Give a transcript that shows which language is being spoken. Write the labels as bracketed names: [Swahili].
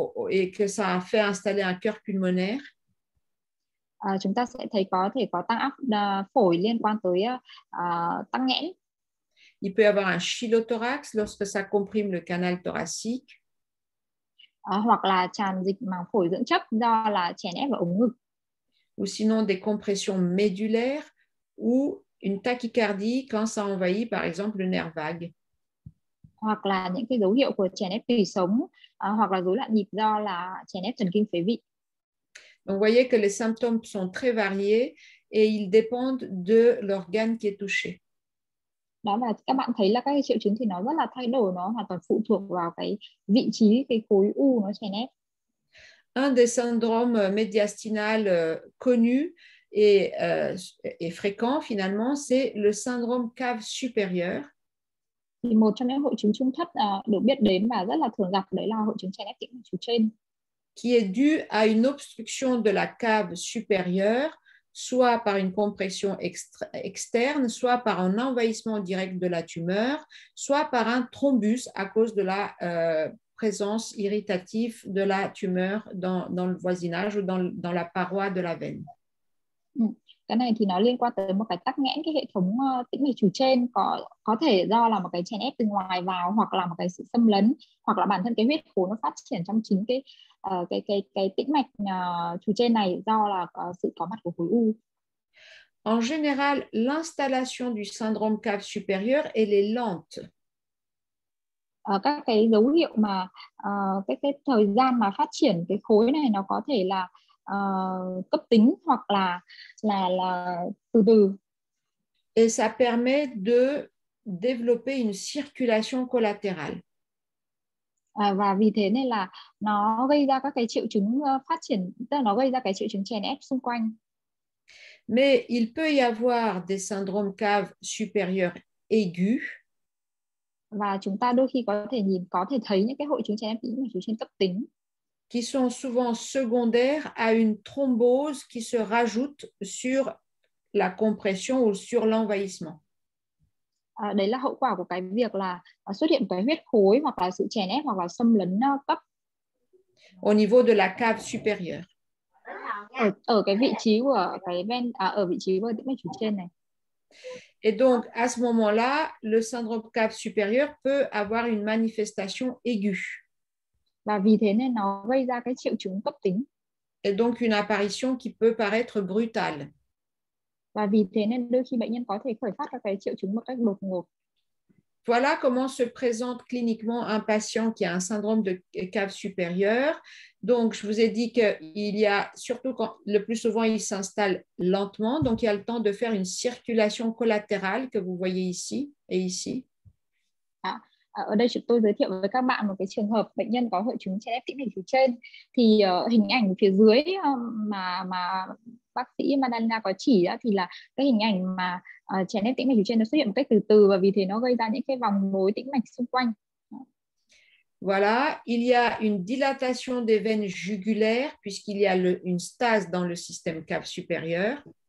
[French] Et que ça a fait installer un cœur pulmonaire. [Vietnamese] Chúng ta sẽ thấy có thể có tăng áp phổi liên quan tới tăng nghẽn. [French] Il peut y avoir un chylothorax lorsque ça comprime le canal thoracique. [Vietnamese] Hoặc là tràn dịch màng phổi dưỡng chấp do là chèn ép vào ống ngực. [French] Ou sinon des compressions médulaires ou une tachycardie quand ça envahit par exemple le nerf vague. [Vietnamese] Hoặc là những cái dấu hiệu của chèn ép tủy sống hoặc là rối loạn nhịp do là chèn ép thần kinh phế vị. [French] Donc vous voyez que les symptômes sont très variés et ils dépendent de l'organe qui est touché. [Vietnamese] Đó là các bạn thấy là các triệu chứng thì nó rất là thay đổi, nó hoàn toàn phụ thuộc vào cái vị trí cái khối u nó chèn ép. [French] Un des syndromes médiastinales connus et et fréquent finalement, c'est le syndrome cave supérieure. [Vietnamese] Thì một trong những hội chứng trung thất được biết đến và rất là thường gặp đấy là hội chứng chèn ép tĩnh mạch chủ trên. [French] Qui est dû à une obstruction de la cave supérieure, soit par une compression externe, soit par un envahissement direct de la tumeur, soit par un thrombus à cause de la présence irritative de la tumeur dans le voisinage ou dans la paroi de la veine. [Vietnamese] Cái này thì nó liên quan tới một cái tắc nghẽn cái hệ thống tĩnh mạch chủ trên có thể do là một cái chèn ép từ ngoài vào hoặc là một cái sự xâm lấn hoặc là bản thân cái huyết khối nó phát triển trong chính cái tĩnh mạch chủ trên này do là có sự có mặt của khối u. [French] En général, l'installation du syndrome cave supérieure elle est lente. [Vietnamese] Các cái dấu hiệu mà cái thời gian mà phát triển cái khối này nó có thể là cấp tính hoặc là từ từ. [French] Et ça permet de développer une circulation collatérale. [Vietnamese] Và vì thế nên là nó gây ra các cái triệu chứng phát triển, tức là nó gây ra cái triệu chứng chèn ép xung quanh. [French] Mais il peut y avoir des syndromes cave supérieurs aigus. [Vietnamese] Và chúng ta đôi khi có thể thấy những cái hội chứng chèn ép tĩnh mạch chủ trên cấp tính. [French] Qui sont souvent secondaires à une thrombose qui se rajoute sur la compression ou sur l'envahissement. [Vietnamese] Đấy là hậu quả của cái việc là xuất hiện cái huyết khối hoặc là sự chèn ép hoặc là xâm lấn cấp. [French] Au niveau de la cave supérieure. [Vietnamese] Ở cái vị trí của cái ven ở vị trí của tĩnh mạch chủ trên này. [French] Et donc à ce moment-là, le syndrome cave supérieure peut avoir une manifestation aiguë. [Vietnamese] Và vì thế nên nó gây ra cái triệu chứng cấp tính. [French] Et donc une apparition qui peut paraître brutale. [Vietnamese] Và vì thế nên đôi khi bệnh nhân có thể khởi phát các cái triệu chứng một cách đột ngột. [French] Voilà comment se présente cliniquement un patient qui a un syndrome de cave supérieure. Donc, je vous ai dit qu'il y a, surtout quand le plus souvent, il s'installe lentement. Donc, il y a le temps de faire une circulation collatérale que vous voyez ici et ici. [Vietnamese] Ở đây tôi giới thiệu với các bạn một cái trường hợp bệnh nhân có hội chứng chèn ép tĩnh mạch phía trên. Thì hình ảnh phía dưới mà bác sĩ Madalina có chỉ đó, thì là cái hình ảnh mà chèn ép tĩnh mạch phía trên nó xuất hiện một cách từ từ và vì thế nó gây ra những cái vòng nối tĩnh mạch xung quanh. [French] Voilà, il y a une dilatation des veines jugulaires puisqu'il y a une stase dans le système cave supérieur.